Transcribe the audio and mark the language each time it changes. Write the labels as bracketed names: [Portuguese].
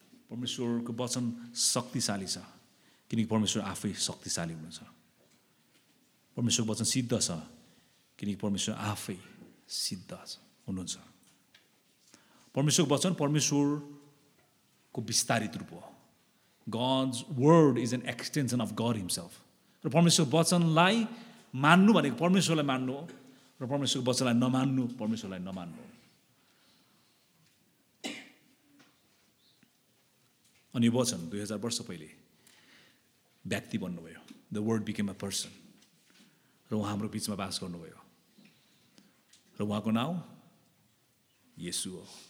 [Nepali] परमेश्वरको वचन शक्तिशाली छ किनकि परमेश्वर आफै शक्तिशाली हुनुहुन्छ। परमेश्वरको वचन सिद्ध छ किनकि परमेश्वर आफै सिद्ध हुनुहुन्छ। परमेश्वरको वचन परमेश्वरको विस्तारित रूप हो। [English] God's word is an extension of God himself. [Nepali] र परमेश्वरको वचनलाई मान्नु भनेको परमेश्वरलाई मान्नु हो र परमेश्वरको वचनलाई नमान्नु परमेश्वरलाई नमान्नु हो। अनि यो वचन 2000 वर्ष पहिले व्यक्ति बन्नुभयो, [English] the word became a person, [Nepali] र उहाँ हाम्रो बिचमा बास गर्नुभयो र उहाँको नाउँ येशु हो।